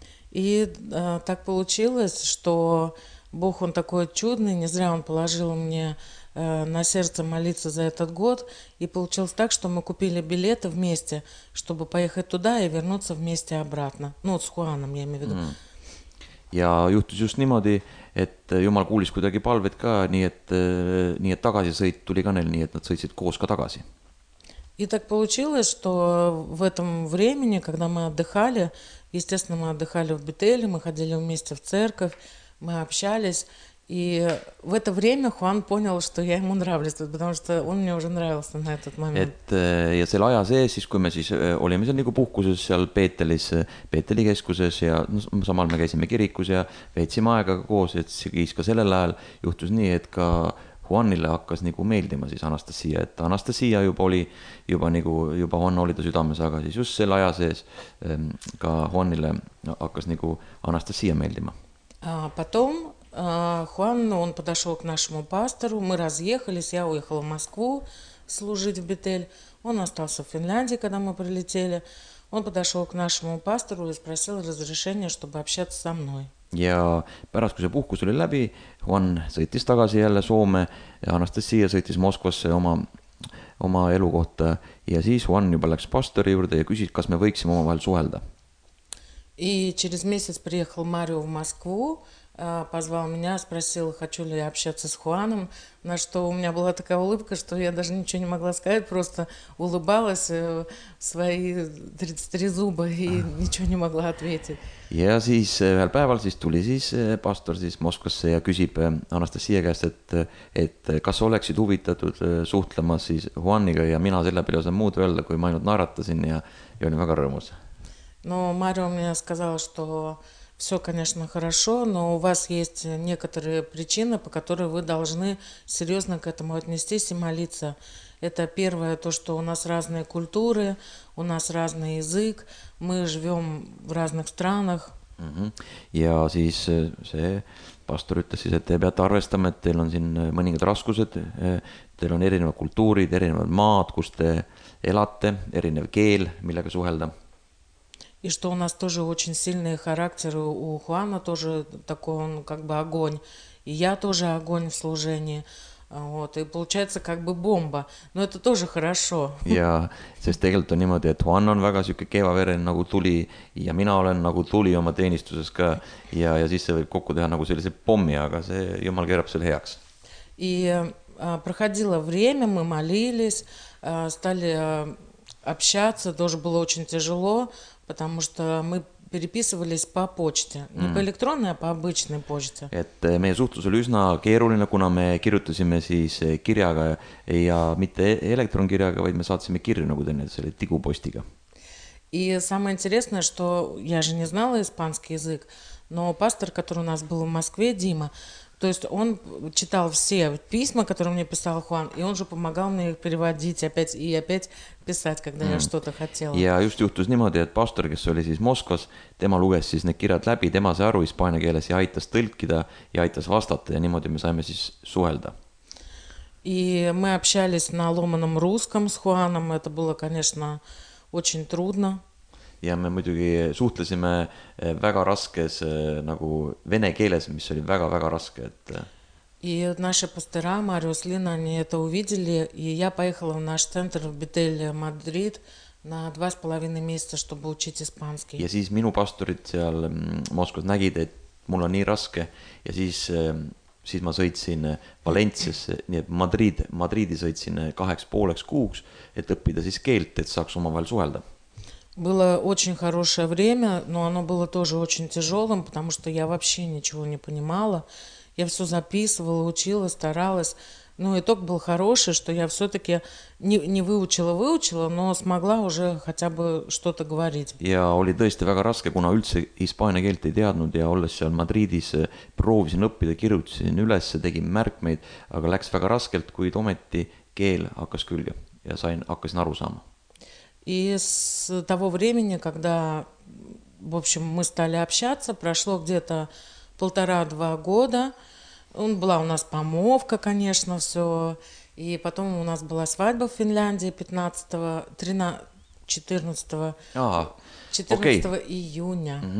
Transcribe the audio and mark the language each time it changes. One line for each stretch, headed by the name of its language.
Russian: И так получилось, что Бог он такой чудный, не зря он положил мне на сердце молиться за этот год, и получилось так, что мы купили билеты вместе, чтобы поехать туда и вернуться вместе обратно. Ну, с Хуаном, я имею в виду.
Estonian: Ja juhtus just niimoodi, et Jumal kuulis kuidagi palved ka, nii et tagasi sõit tuli ka neil, nii et nad sõitsid koos ka tagasi.
Russian: И так получилось, что в этом времени, когда мы отдыхали, естественно, мы отдыхали в Бетеле, мы ходили вместе в церковь, мы общались, и в это время Хуан понял, что я ему нравлюсь, потому что он мне уже нравился на этот момент.
Estonian: Ja selle aja see, siis kui me siis olime seal nagu puhkuses seal Peetelis, Peeteli keskuses ja samal me käisime kirikus ja veetsime aega koos, et siis ka sellel ajal juhtus nii, et ka Juanile hakkas nagu meeldima siis Anastasia, et Anastasia juba Juan oli ta südames, aga siis just selle aja sees ka Juanile hakkas nagu Anastasia meeldima.
Russian: Потом Хуан, он подошел к нашему пастору, мы разъехались, я уехала в Москву служить в Бетель, он остался в Финляндии, когда мы прилетели, он подошел к нашему пастору и спросил разрешение, чтобы общаться со мной.
Estonian: Ja pärast, kui see puhkus oli läbi, Juan sõitis tagasi jälle Soome ja Anastasia sõitis Moskvasse oma elukohta ja siis Juan juba läks pastori juurde ja küsis, kas me võiksime oma vahel suhelda.
Russian: И через месяц приехал Марио в Москву, позвал меня, спросил, хочу ли я общаться с Хуаном, на что у меня была такая улыбка, что я даже ничего не могла сказать, просто улыбалась свои 33 зуба и ничего не могла ответить.
Estonian: Ja siis ühel päeval siis tuli siis pastor siis Moskvasse ja küsib Anastasia käest, et kas oleksid huvitatud suhtlema siis Juaniga ja mina selle peale osan muud öelda, kui ma ainult naaratasin ja olin väga rõõmus.
Russian: Но Марио мне сказал, что все, конечно, хорошо, но у вас есть некоторые причины, по которым вы должны серьезно к этому отнестись и молиться. Это первое, то, что у нас разные культуры, у нас разный язык, мы живем в разных странах.
Estonian: Ja siis see pastor ütles siis, et te peate arvestama, et teil on siin mõningad raskused, teil on erinevad kultuurid, erinevad maad, kus te elate, erinev keel, millega suhelda.
Russian: И что у нас тоже очень сильный характер, у Хуана тоже такой он как бы огонь. И я тоже огонь в служении. Вот, и получается как бы бомба. Но это тоже хорошо.
Estonian: Ja, sest tegelikult on niimoodi, et Juan on väga siuke keevaveren nagu tuli ja mina olen nagu tuli oma teenistuses ka ja ja siis see võib kokku teha nagu sellise pommi, aga see jumal keerab selle heaks.
Russian: И проходило время, мы молились, стали общаться, тоже было очень тяжело, потому что мы переписывались по почте, не по электронной, а по обычной почте.
Estonian: Et meie suhtlus oli üsna keeruline, kuna me kirjutasime siis kirjaga ja mitte elektronkirjaga, vaid me saatsime kirju nagu tänne selle tigupostiga.
Russian: И самое интересное, что я же не знала испанский язык, но пастор, который у нас был в Москве, Дима, то есть он читал все письма, которые мне писал Хуан, и он же помогал мне их переводить опять и опять писать, когда я что-то хотела.
Estonian: Ja just juhtus niimoodi, et pastor, kes oli siis Moskvas, tema luges siis need kirjad läbi, tema see aru hispaania keeles ja aitas tõlkida ja aitas vastata ja niimoodi me saime siis suhelda.
Russian: И мы общались на ломаном русском с Хуаном, это было, конечно, очень трудно.
Estonian: Ja me muidugi suhtlesime väga raskes nagu vene keeles, mis oli väga väga raske, et
Russian: И наши пастора Мариус Лина они это увидели, и я поехала в наш центр в Бетель Мадрид на 2,5 месяца, чтобы учить испанский.
Estonian: Ja siis minu pastorid seal Moskvas nägid, et mul on nii raske, ja siis ma sõitsin Valentsiasse, nii et Madridi sõitsin 2,5 kuuks, et õppida siis keelt, et saaks omavahel suhelda.
Russian: Было очень хорошее время, но оно было тоже очень тяжелым, потому что я вообще ничего не понимала. Я все записывала, учила, старалась. Но итог был хороший, что я все-таки не выучила, но смогла уже хотя бы что-то говорить.
Estonian: Ja oli tõesti väga raske, kuna üldse hispaania keelt ei teadnud ja olles seal Madridis proovisin õppida, kirjutasin üles, tegin märkmeid, aga läks väga raskelt, kuid ometi keel hakkas külge ja hakkasin aru saama.
Russian: И с того времени, когда, в общем, мы стали общаться, прошло где-то 1,5-2 года. Была у нас помолвка, конечно, все. И потом у нас была свадьба в Финляндии 14 июня.